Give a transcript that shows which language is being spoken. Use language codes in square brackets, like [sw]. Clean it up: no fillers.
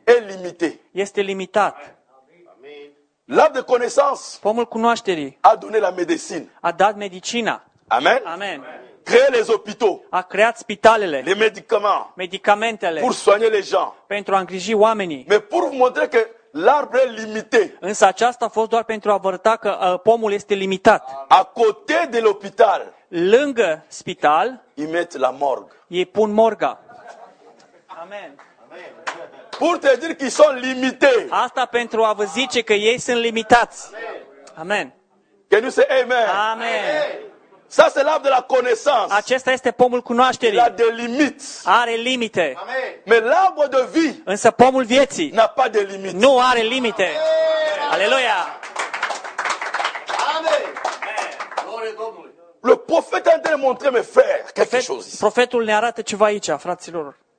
[fr] Est limité. [ro] Este limitat. [fr] L'arbre de connaissance. [ro] Pomul cunoașterii. [fr] A donné la médecine. [ro] A dat medicina. Amen. Amen. [fr] Créé les hôpitaux. [ro] A creat spitalele. [fr] Les médicaments. [ro] Medicamentele. [fr] Pour soigner les gens. [ro] Pentru a îngriji oamenii. [fr] Mais pour vous montrer que l'arbre est limité. [ro] Însă aceasta a fost doar pentru a arăta că pomul este limitat. [fr] À côté de l'hôpital. [ro] Lângă spital. [fr] Ils mettent la morgue. [ro] Ei pun morga. Amen. [fr] Pour te dire qu'ils sont limités. [ro] Asta pentru a vă zice că ei sunt limitați. Amen. [en] Can you say amen? Amen. [fr] Ça, c'est l'arbre de la connaissance. [ro] Acesta este pomul cunoașterii. [fr] Il a des limites. [ro] Are limite. [fr] Amen. Mais l'arbre de vie. [ro] Însă pomul vieții. [fr] N'a pas de limites. [ro] Nu are limite. Aleluia. [fr] Amen. Gloire Domnului. Le prophète a de montrer mes frères quelque chose. [ro] Profetul ne arată ceva aici, fraților.